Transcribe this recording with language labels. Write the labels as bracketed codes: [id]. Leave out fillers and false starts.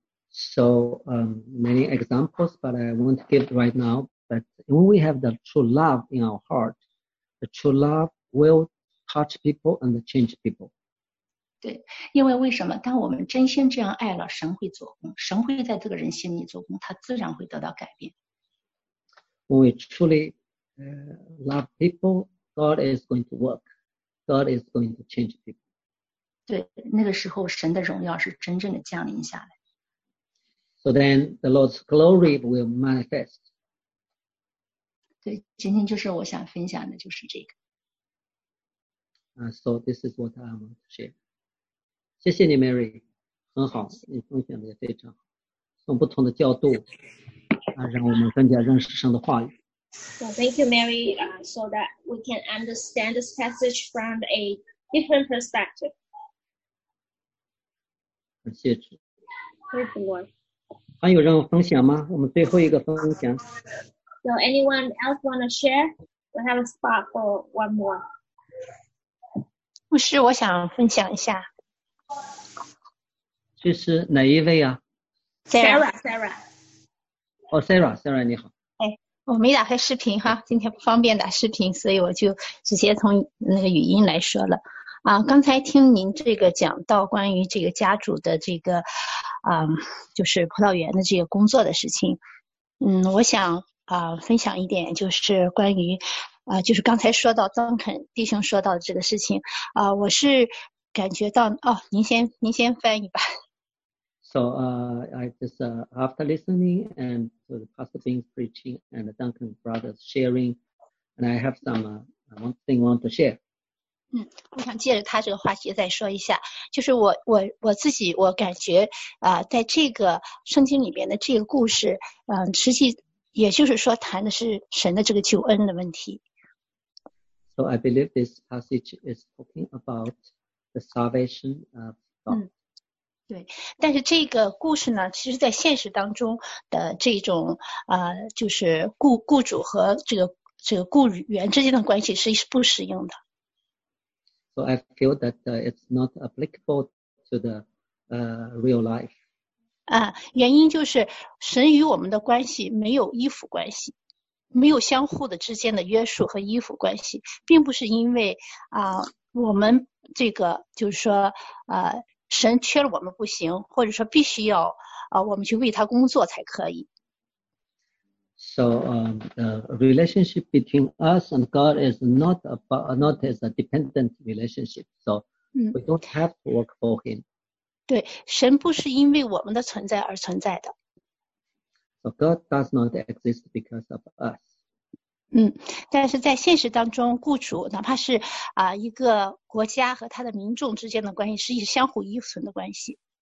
[en] So many examples but I won't give right now but when we have the true love in our heart the true love will touch people and change people [zh] 对因为为什么当我们真心这样爱了神会做工神会在这个人心里做工他自然会得到改变 [en] When we trulylove people, God is going to work. God is going to change people. [zh] 对，那个时候神的荣耀是真正的降临下来。 [en] So then the Lord's glory will manifest. [zh] 对，今天就是我想分享的就是这个。 [en] So this is what I want to share. [zh] 谢谢你 Mary, 很好，你分享的也非常好。从不同的角度，让我们更加认识神的话语。 [en] So thank you, Mary, so that we can understand this passage from a different perspective. [zh] 感谢主。 [en] Praise the Lord. [zh] 还有人分享吗？我们最后一个分享。 [en] So anyone else want to share? We have a spot for one more. [zh] 牧师，我想分享一下。这是哪一位啊？Sarah. Oh, Sarah. Sarah, 你好。我没打开视频哈，今天不方便打视频，所以我就直接从那个语音来说了。刚才听您这个讲到关于这个家主的这个，就是葡萄园的这个工作的事情。我想分享一点，就是关于就是刚才说到邓肯弟兄说到的这个事情。我是感觉到您先翻译吧。 [en] So I just after listening and so the pastor being preaching and the Duncan brothers sharing, and I have some one thing I want to share. [zh] 我想借着他这个话题再说一下，就是我自己我感觉在这个圣经里面的这个故事，实际也就是说谈的是神的这个救恩的问题。 [en] So I believe this passage is talking about the salvation of God. [zh] 对，但是这个故事呢，其实在现实当中的这种就是雇主和这个雇员之间的关系是不适用的。 [en] So I feel that it's not applicable to the real life. [zh] 原因就是神与我们的关系没有依附关系，没有相互的之间的约束和依附关系，并不是因为我们这个就是说神缺了我们不行，或者说必须要我们去为他工作才可以。 [en] So, the relationship between us and God is not as a dependent relationship. So, we don't have to work for Him. [zh] 对，神不是因为我们的存在而存在的。 [en] So God does not exist because of us. [zh] 但是在现实当中，雇主哪怕是一个国家和他的民众之间的关系，是相互依存的关系。